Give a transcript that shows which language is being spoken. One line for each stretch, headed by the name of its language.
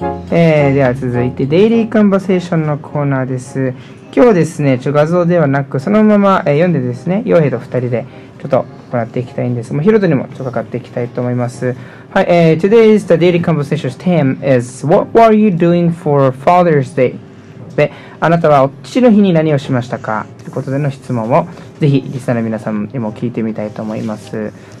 Japanese: では続いてデイリーカンバセーションのコーナーです。今日はですね、ちょ画像ではなくそのまま、読んでですね、ヨヘと2人でちょっと行っていきたいんです。もうヒロトにもちょっとかかっていきたいと思います。
English: はい、Today's the Daily Conversation's theme is What were you doing for Father's Day?
Japanese: で、あなたは父の日に何をしましたかということでの質問をぜひリスナーの皆さんにも聞いてみたいと思います。